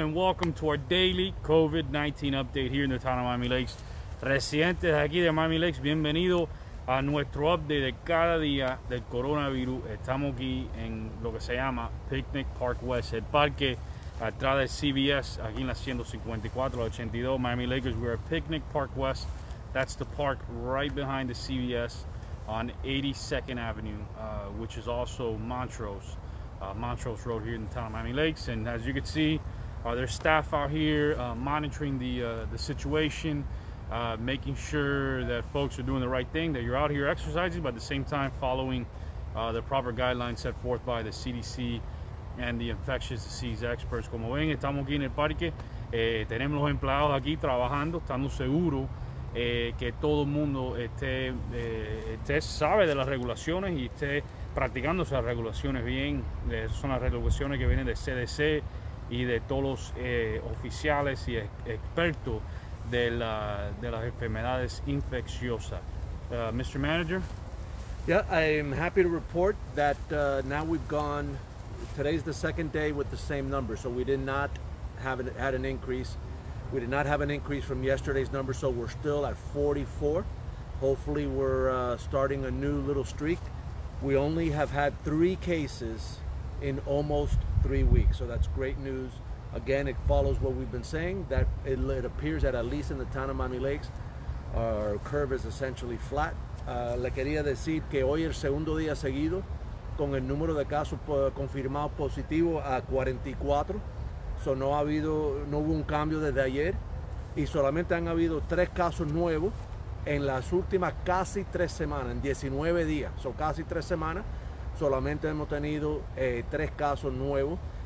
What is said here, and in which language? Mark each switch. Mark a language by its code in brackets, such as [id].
[en] And welcome to our daily COVID-19 update here in the town of Miami Lakes. [es] Residentes aquí de Miami Lakes, bienvenido a nuestro update de cada día del coronavirus. Estamos aquí en lo que se llama Picnic Park West, el parque atrás de CVS, aquí en la 154-82, Miami Lakers. [en] We are at Picnic Park West. That's the park right behind the CVS on 82nd Avenue, which is also Montrose. Montrose Road here in the town of Miami Lakes. And as you can see, there's staff out here monitoring the situation, making sure that folks are doing the right thing, that you're out here exercising, but at the same time following the proper guidelines set forth by the CDC and the infectious disease experts. [es] Como ven, estamos aquí en el parque. Tenemos los empleados aquí trabajando. Estamos seguros que todo el mundo esté sabe de las regulaciones y esté practicando esas regulaciones bien. Son las regulaciones que vienen de CDC y de todos los oficiales y expertos de las enfermedades infecciosas. [en] Mr. Manager? Yeah, I'm happy to report that now we've gone, today's the second day with the same number, so we did not have had an increase. We did not have an increase from yesterday's number, so we're still at 44. Hopefully we're starting a new little streak. We only have had 3 cases in almost 3 weeks, so that's great news. Again, it follows what we've been saying, that it appears that at least in the town of Miami Lakes, our curve is essentially flat. [es] Le quería decir que hoy el segundo día seguido con el número de casos confirmado positivo a 44, so no hubo un cambio desde ayer, y solamente han habido 3 casos nuevos en las últimas casi 3 semanas, en 19 días, son casi 3 semanas, solamente hemos tenido 3 casos nuevos.